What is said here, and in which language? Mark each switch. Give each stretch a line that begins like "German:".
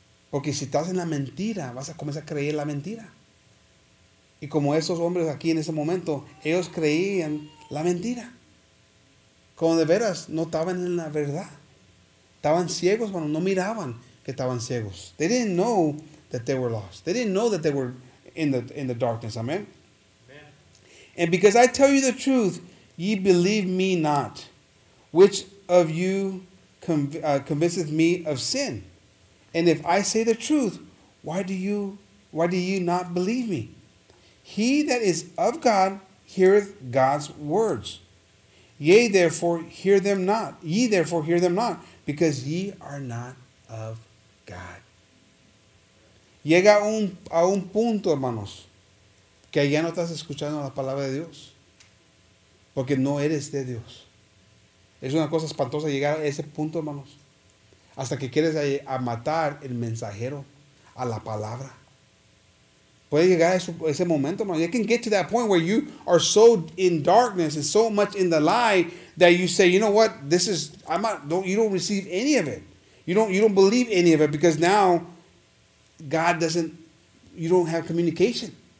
Spanish: Porque si estás en la mentira, vas a comenzar a creer la mentira. Y como esos hombres aquí en ese momento, ellos creían la mentira. Como de veras, no estaban en la verdad. Estaban ciegos, bueno, no miraban que estaban ciegos.
English: They didn't know that they were lost. They didn't know that they were in the darkness. Amen? Amen. And because I tell you the truth, ye believe me not. Which of you convinceth me of sin? And if I say the truth, why do you not believe me? He that is of God heareth God's words. Ye therefore hear them not, because ye are not of God.
Spanish: Llega a un punto, hermanos, que ya no estás escuchando la palabra de Dios, porque no eres de Dios. Es una cosa espantosa llegar a ese punto, hermanos, hasta que quieres a matar el mensajero, a la palabra. Puede llegar a ese momento, hermano.
English: You can get to that point where you are so in darkness and so much in the lie that you say, you know what, this is, you don't receive any of it. You don't believe any of it because now God doesn't, you don't have communication.